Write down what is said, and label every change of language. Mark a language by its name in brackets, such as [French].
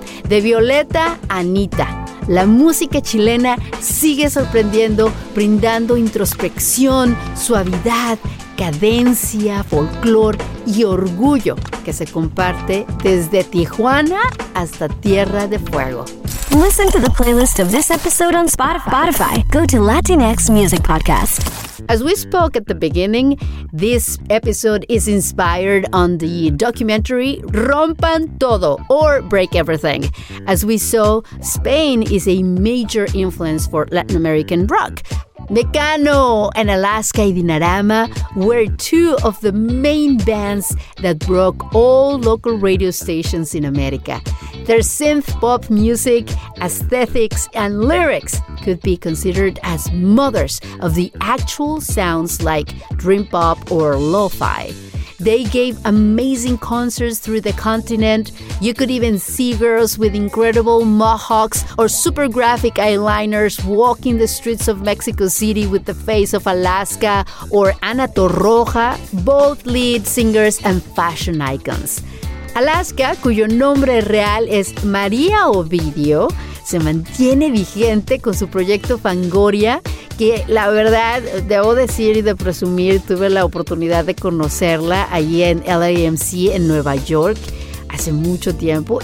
[Spanish] De Violeta a Anita, la música chilena sigue sorprendiendo, brindando introspección, suavidad, cadencia, folclor y orgullo que se comparte desde Tijuana hasta Tierra de Fuego. [English] Listen to the playlist of this episode on Spotify. Go to Latinx Music Podcast. As we spoke at the beginning, this episode is inspired on the documentary Rompan Todo or Break Everything. As we saw, Spain is a major influence for Latin American rock. Mecano and Alaska y Dinarama were two of the main bands that broke all local radio stations in America. Their synth pop music, aesthetics, and lyrics could be considered as mothers of the actual sounds like dream pop or lo-fi. They gave amazing concerts through the continent. You could even see girls with incredible mohawks or super graphic eyeliners walking the streets of Mexico City with the face of Alaska or Ana Torroja, both lead singers and fashion icons. [Spanish] Alaska, cuyo nombre real es María Ovidio, se mantiene vigente con su proyecto Fangoria, que la verdad, debo decir y de presumir, tuve la oportunidad de conocerla allí en LAMC en Nueva York hace mucho tiempo.